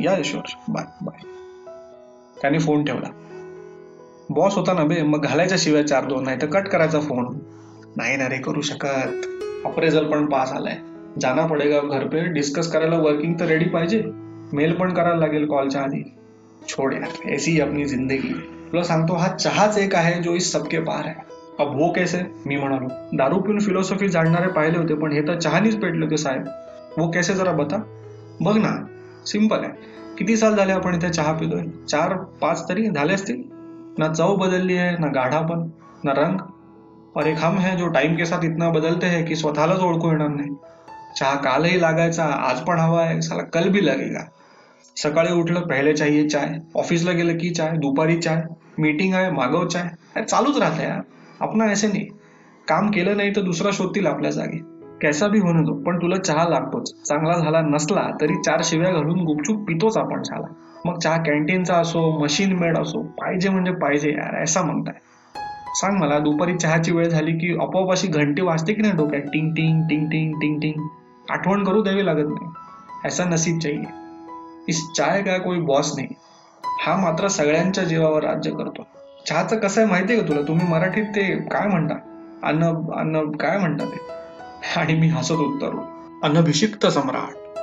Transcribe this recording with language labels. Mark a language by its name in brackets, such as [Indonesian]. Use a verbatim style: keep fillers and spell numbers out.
[English] Yeah, sure, bye bye. [Marathi] त्याने phone ठेवला. बॉस होता ना बे, मग घालायच्या शिवाय चार दोन, नाही तर कट करायचा फोन. नाही ना रे, करू शकत. अप्रेझल पण पास आलाय, [Hindi] जाना पडेगा घर पे. [Marathi] डिस्कस करायला वर्किंग तर रेडी पाहिजे, मेल पण करायला लागेल कॉलच्या आधी. [Hindi] छोड़ यार, ऐसी अपनी जिंदगी. [Marathi] तुला सांगतो, हा चहाच एक आहे जो इस सबके पार आहे. [Hindi] अब वो कैसे? [Marathi] मी म्हणालो. दारू पिऊन फिलॉसॉफी जाणणारे पाहिले होते, पण हे तर चहानीच पेटले होते साहेब. [Hindi] वो कैसे जरा बता. [Marathi] बघ ना, सिंपल आहे. किती साल झाले आपण इथे चहा पिलोय? चार पाच तरी झाले असतील ना. [Hindi] चव बदलली है ना, गाढ़ापन ना रंग, और एक हम है जो टाइम के साथ इतना बदलते हैं कि [Marathi] स्वतःलाच ओळखू येणार नाही. चहा कालही लागायचा, आज पण हवा आहे, [Hindi] साला कल भी लगेगा. [Marathi] सकाळी उठलं पहिले चाहिए चाय, ऑफिसला गेलं की चाय, दुपारी चाय, मीटिंग आहे मागव चाय. अरे चालूच राहतं यार. आपण ऐसे नाही, काम केलं नाही तर दुसरा शोधतील आपल्या जागी. कैसा भी होणे दो, पण तुला चहा लागतोच. चांगला झाला नसला तरी चार शिव्या घालून गुपचूप पितोच आपण चहाला. मग चहा कॅन्टीनचा असो, मशीन मेड असो, पाहिजे म्हणजे पाहिजे यार. ऐसा म्हणताय सांग मला, दुपारी चहाची वेळ झाली की आपोआप अशी घंटी वाजते की नाही डोक्यात, टिंग टिंग टिंग टिंग टिंग टिंग, आठवण करू द्यावी लागत नाही. [Hindi] ऐसा नसीब चाहिए, इस चाय का कोई बॉस नाही. [Marathi] हा मात्र सगळ्यांच्या जीवावर राज्य करतो. चहाचं कसं आहे माहिती आहे का तुला, तुम्ही मराठीत ते काय म्हणता, अन्न अन्न काय म्हणता ते. आणि मी हसत उत्तरलो, अनभिषिक्त सम्राट.